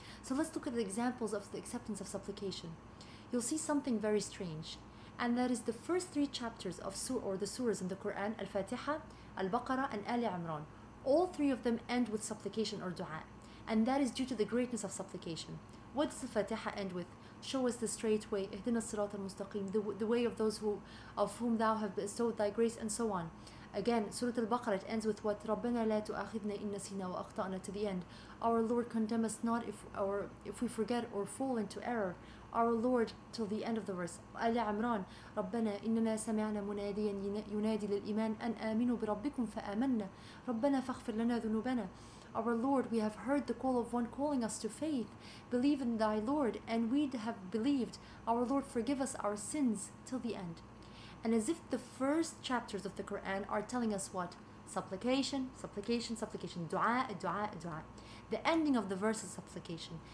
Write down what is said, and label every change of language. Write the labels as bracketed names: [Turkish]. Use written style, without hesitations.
[English] So let's look at the examples of the acceptance of supplication. You'll see something very strange, and that is the first three chapters of the surahs in the Quran, Al-Fatiha, Al-Baqarah, and Ali Imran. All three of them end with supplication or dua, and that is due to the greatness of supplication. What does the Fatiha end with? Show us the straight way, [Arabic] اهدنا الصراط المستقيم, [English] the way of those of whom thou have bestowed thy grace, and so on. Again, Surah Al-Baqarah, it ends with what? [Arabic] رَبَّنَا لَا تُؤَخِذْنَا إِن نَسِينَا وَأَخْطَأْنَا, [English] to the end. Our Lord, condemn us not if we forget or fall into error. Our Lord, till the end of the verse. [Arabic] Ali Imran, رَبَّنَا إِنَّنَا سَمِعْنَا مُنَادِيًا يُنَادِي لِلْإِمَانِ أَنْ آمِنُوا بِرَبِّكُمْ فَآمَنَّا رَبَّنَا فَاغْفِرْ لَنَا ذُنُوبَنَا. [English] Our Lord, we have heard the call of one calling us to faith. Believe in thy Lord, and we have believed. Our Lord, forgive us our sins, till the end. And as if the first chapters of the Quran are telling us what? supplication, dua. The ending of the verse is supplication.